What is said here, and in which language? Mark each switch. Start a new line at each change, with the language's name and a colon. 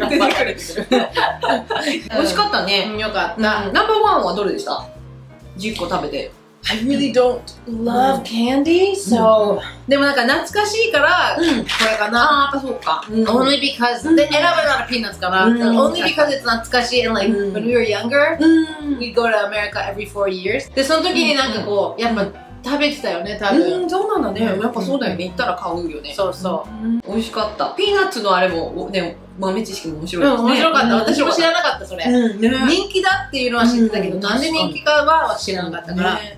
Japanese: 美味しかったね。よかった。ナンバーワンはどれでした？ 10個食べて。
English: I really don't love candy, so...
Japanese: でもなんか懐かしいから、これかな。ああ、そうか。
English: Only because...
Japanese: で、選ぶならピーナッツかな。
English: Only because it's 懐かしい and like, when we were younger, we'd go to America every 4 years.
Japanese: で、その時になんかこう、やっぱ食べてたよね、多分。うん、そうなんだね。やっぱそうだよね。行ったら買うよね。そうそう。美味しかった。ピーナッツのあれも、ね、豆知識も面白いですね。面白かった。私も知らなかった、それ。人気だっていうのは知ってたけど、なんで人気かは知らなかったから。